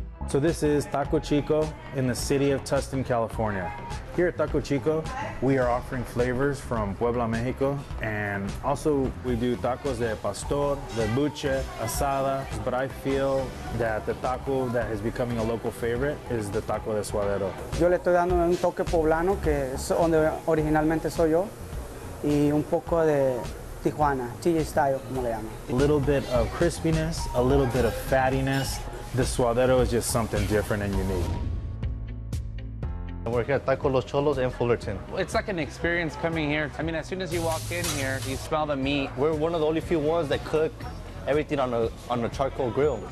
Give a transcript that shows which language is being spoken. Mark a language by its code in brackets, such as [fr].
[en] So this is Taco Chico in the city of Tustin, California. Here at Taco Chico, we are offering flavors from Puebla, Mexico, and also we do tacos de pastor, de buche, asada, but I feel that the taco that is becoming a local favorite is the taco de suadero. [es] Yo le estoy dando un toque poblano, que es donde originalmente soy yo, y un poco de Tijuana, Chile style, como le llaman. [en] A little bit of crispiness, a little bit of fattiness. The suadero is just something different and unique. We're here at Taco Los Cholos in Fullerton. It's like an experience coming here. I mean, as soon as you walk in here, you smell the meat. We're one of the only few ones that cook everything on a charcoal grill.